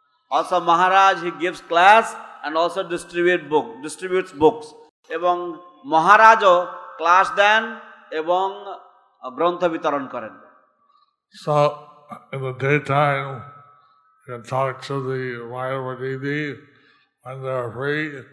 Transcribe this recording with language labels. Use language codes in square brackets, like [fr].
[en] Also Maharaj, he gives class and also distributes books. [bn] এবং মহারাজও class দেন এবং গ্রন্থ বিতরণ করেন। [en] So in the daytime, you can talk to the Mayavadidi when they are free.